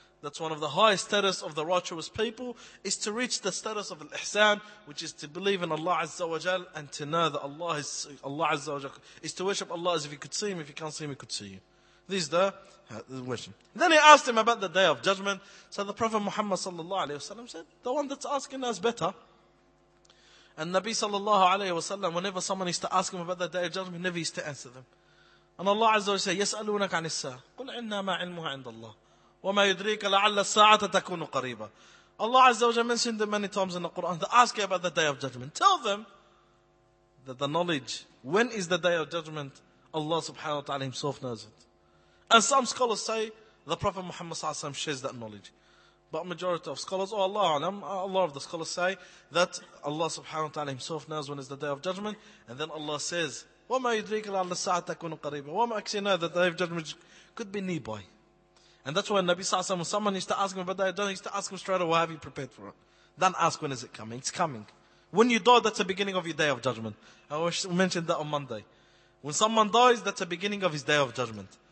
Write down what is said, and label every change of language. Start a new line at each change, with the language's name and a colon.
English: That's one of the highest status of the righteous people, is to reach the status of al-ihsan, which is to believe in Allah Azza wa Jal and to know that Allah Azza wa Jal is to worship Allah as if you could see Him, if you can't see Him, you could see you. This is the question. Then he asked him about the day of judgment. So the Prophet Muhammad sallallahu alayhi wa sallam said, the one that's asking us better. And Nabi sallallahu alayhi wa sallam, whenever someone used to ask him about the day of judgment, he never used to answer them. And Allah Azza wa Jalla said,
Arabic: يَسْأَلُونَكَ عَنِ السَّاعَةِ قُلْ إِنَّا مَا عِلْمُهَا عِنْدَ اللَّهِ وَمَا يُدْرِيكَ لَعَلَّ السَّاعَةَ تَكُونُ قَرِيبًا.
English: Allah Azza wa Jalla mentioned it many times in the Quran. They ask you about the day of judgment. Tell them that the knowledge, when is the day of judgment, Allah subhanahu wa ta'ala himself knows it. And some scholars say the Prophet Muhammad sallallahu alayhi wa sallam shares that knowledge. But majority of scholars, or Allah alam, a lot of the scholars say that Allah subhanahu wa ta'ala himself knows when is the day of judgment. And then Allah says,
Arabic: وَمَا يُدْرِيكَ لَعَلَّ السَّاعَةَ تَكُونُ قَرِيبًا. وَمَا أَكْسِنَا
English: that the day of judgment could be nearby. And that's why Nabi sallallahu alayhi wa sallam, someone used to ask him about the day of judgment, used to ask him straight away, have you prepared for it? Then ask, when is it coming? It's coming. When you die, that's the beginning of your day of judgment. I mentioned that on Monday. When someone dies, that's the beginning of his day of judgment.